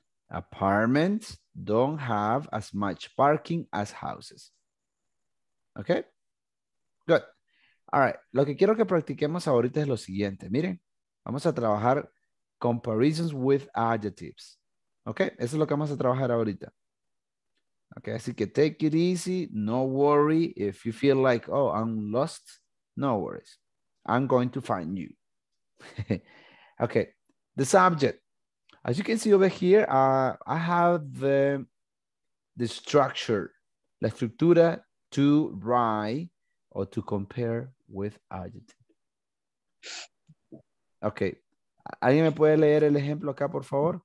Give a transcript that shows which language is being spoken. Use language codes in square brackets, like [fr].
[en] Apartments don't have as much parking as houses. Okay, good. All right. [es] Lo que quiero que practiquemos ahorita es lo siguiente. Miren, vamos a trabajar [en] comparisons with adjectives. [es] Okay, eso es lo que vamos a trabajar ahorita. [en] Okay, [es] así que [en] take it easy. No worry if you feel like, oh, I'm lost. No worries. I'm going to find you. Okay, the subject. As you can see over here, I have the structure, [es] la estructura [en] to write or to compare with adjective. Okay. [es] ¿Alguien me puede leer el ejemplo acá, por favor?